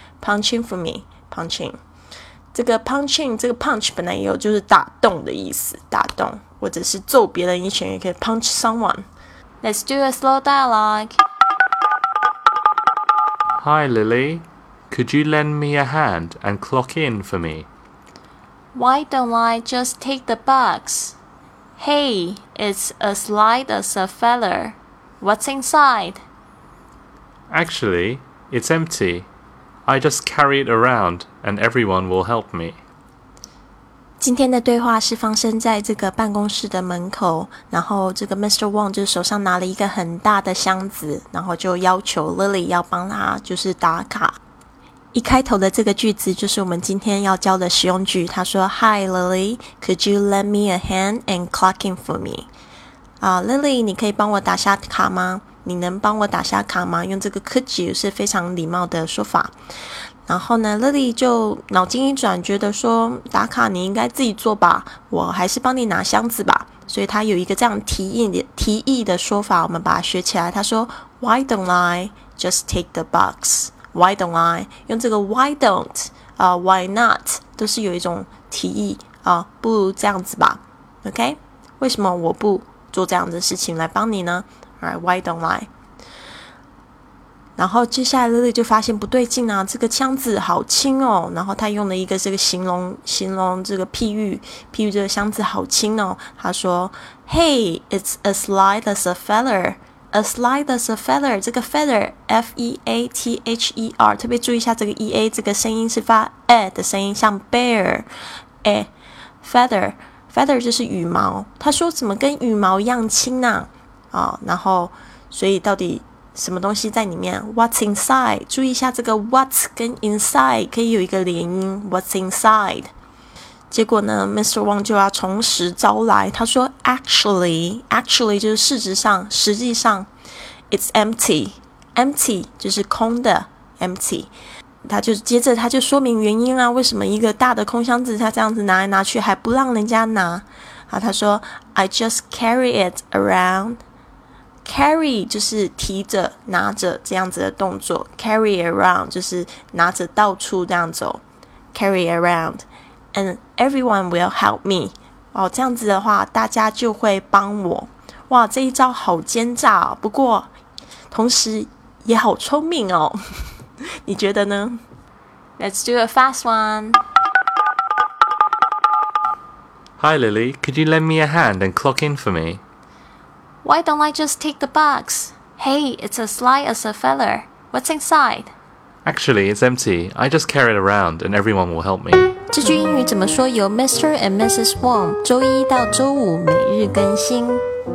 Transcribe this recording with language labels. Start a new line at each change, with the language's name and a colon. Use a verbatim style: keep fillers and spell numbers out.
Chinese: Punch in for me, punch in 这个 punch in 这个 punch 本来也有就是打洞的意思，打洞或者是揍别人一拳也可以 punch someone。
English: Let's do a slow dialogue. Hi Lily, could you lend me a hand and clock in for me? Why don't I just take the box? Hey, it's as light as a feather. What's inside? Actually, it's empty. I just carry it around and everyone will help me.
Chinese: 今天的对话是发生在这个办公室的门口，然后这个 Mister Wong 就手上拿了一个很大的箱子，然后就要求 Lily 要帮他就是打卡。一开头的这个句子就是我们今天要教的实用句。他说
English: Hi Lily, could you lend me a hand and clock in for me?
Chinese: 啊、uh, Lily, 你可以帮我打下卡吗？你能帮我打下卡吗？用这个 could you 是非常礼貌的说法。然后呢 Lily 就脑筋一转，觉得说打卡你应该自己做吧，我还是帮你拿箱子吧。所以他有一个这样提议的提议的说法，我们把它学起来。他说
English: Why don't I just take the box? Why don't I?
Chinese: 用这个 why don't, 啊、uh, why not 都是有一种提议啊， uh, 不如这样子吧 ，OK？为什么我不做这样的事情来帮你呢？
English: Alright, why don't I?
Chinese: 然后接下来 Lily 就发现不对劲啊，这个箱子好轻哦。然后他用了一个这个形容形容这个譬喻，譬喻这个箱子好轻哦。
English: 他说 ，Hey, it's as light as a feather.
Chinese: As light as a feather， 这个 feather F E A T H E R， 特别注意一下这个 E A 这个声音是发 A 的声音，像 bear A feather feather 就是羽毛。他说怎么跟羽毛一样轻啊、哦、然后所以到底什么东西在里面？
English: What's inside，
Chinese: 注意一下这个
English: what's 跟 inside 可以有一个连音， What's inside。
Chinese: 结果呢 Mister Wong 就要从实招来。他说 Actually Actually 就是事实上，实际上
English: It's empty
Chinese: Empty 就是空的 Empty。他就接着他就说明原因啊，为什么一个大的空箱子他这样子拿来拿去还不让人家拿。好，他说
English: I just carry it around。 Carry
Chinese: 就是提着拿着这样子的动作，
English: carry around
Chinese: 就是拿着到处这样走，
English: carry around and everyone will help me。
Chinese: 哦，这样子的话大家就会帮我。哇，这一招好奸诈哦，不过同时也好聪明哦。你觉得呢？
English: Let's do a fast one. Hi Lily, could you lend me a hand and clock in for me? Why don't I just take the box? Hey, it's as light as a feather. What's inside? Actually, it's empty. I just carry it around and everyone will help me.
Chinese: 这句英语怎么说由 Mister and Missus Wong 周一到周五每日更新。